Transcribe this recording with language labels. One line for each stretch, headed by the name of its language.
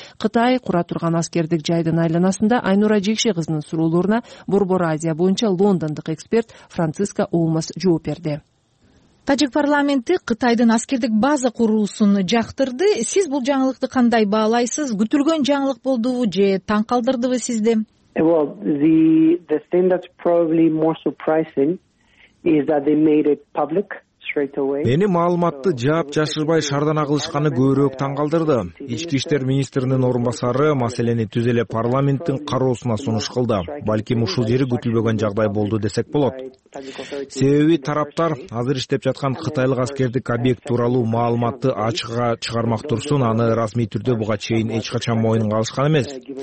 Kyrgyz: Кытай кура турган аскердик жайдын айланасында Айнура Жекше кызынын суроолоруна Борбор Азия боюнча лондондук эксперт Франциска Олмас жооп берди. Тажик парламенти Кытайдын аскердик база куруусун жактырды. Сиз бул жаңылыкты кандай баалайсыз? Күтүлгөн жаңылык болдубу же таң калдырдыбы сизди?
English: The thing that's probably more surprising is that they made it public.
Kyrgyz: Мени маалыматты жаап жашырбай шардана кылышканы көбүрөөк таң калдырды. Ички иштер министринин орун басары маселени түз эле парламенттин кароосуна сунуш кылды. Балким ушул жери күтүлбөгөн жагдай болду десек болот. Себеби тараптар азыр иштеп жаткан кытайлык аскердик объект тууралуу маалыматты ачыкка чыгармак турсун, аны расмий түрдө буга чейин эч качан мойнунга алышкан эмес.